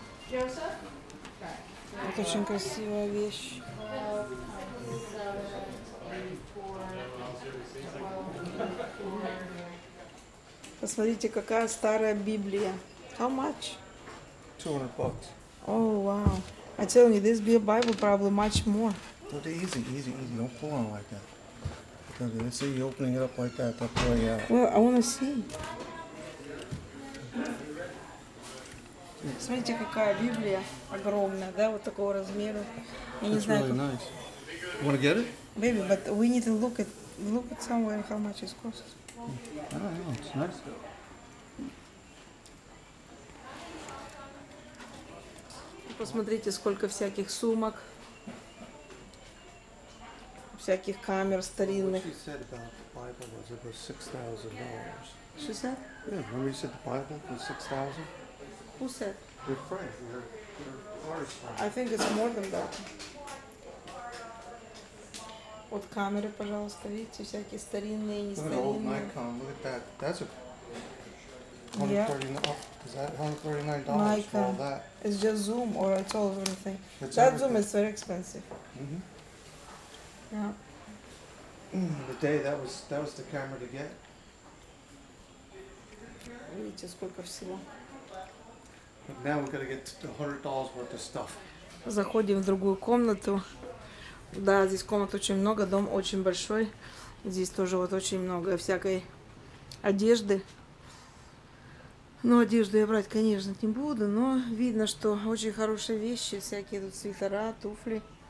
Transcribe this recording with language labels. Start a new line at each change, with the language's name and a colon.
Russian: Вот очень красивая вещь. Посмотрите, какая старая Библия.
English: How much? $200. Oh, wow. I tell you, this be a Bible probably much more. But easy. Don't pull on it like that. Because if you see you opening it up like that, they'll pull you out. Well, I want to see.
Russian: Смотрите, какая Библия огромная, да, вот такого размера.
English: It's really nice. You want to get it? Maybe, but we need to look at somewhere how much it costs. I don't know, it's nice.
Russian: Посмотрите, сколько всяких сумок, всяких камер старинных.
English: She said about the Bible was about $6,000. She said? Yeah, remember you said the Bible was $6,000? Who said? Your friend, your artist friend. I think it's more than that.
Russian: Вот камеры, пожалуйста, видите, всякие старинные, не старинные.
English: Look at old Nikon, look at that. That's a... $139. Is that $139 for all that? It's just Zoom, or it's all over the thing. That Zoom is very expensive. Mm-hmm. Yeah. The day that was the camera to get.
Russian: Видите, сколько всего.
English: But now we're gonna get $100 worth of stuff.
Russian: Заходим в другую комнату. Да, здесь комнат очень много, дом очень большой. Здесь тоже вот очень много всякой одежды. Ну, одежду я брать, конечно, не буду, но видно, что очень хорошие вещи, всякие тут свитера, туфли.